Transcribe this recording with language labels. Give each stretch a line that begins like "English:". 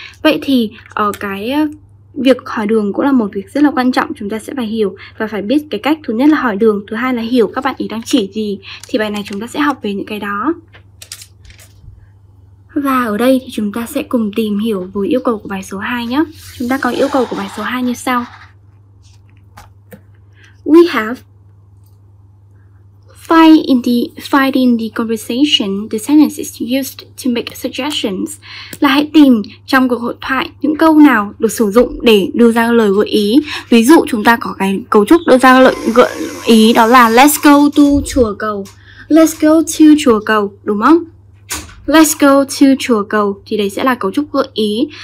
Vietnamese: Vậy thì cái việc hỏi đường cũng là một việc rất là quan trọng, chúng ta sẽ phải hiểu và phải biết cái cách thứ nhất là hỏi đường, thứ hai là hiểu các bạn ấy đang chỉ gì. Thì bài này chúng ta sẽ học về những cái đó. Và ở đây thì chúng ta sẽ cùng tìm hiểu với yêu cầu của bài số 2 nhé. Chúng ta có yêu cầu của bài số 2 như sau.
English: We have finding the conversation, the sentences used to make suggestions.
Vietnamese: Là hãy tìm trong cuộc hội thoại những câu nào được sử dụng để đưa ra lời gợi ý. Ví dụ chúng ta có cái cấu trúc đưa ra lời gợi ý đó là
English: let's go to
Vietnamese: chùa cầu.
English: Let's go to chùa cầu,
Vietnamese: đúng không?
English: Let's go to chùa cầu
Vietnamese: thì đấy sẽ là cấu trúc gợi ý.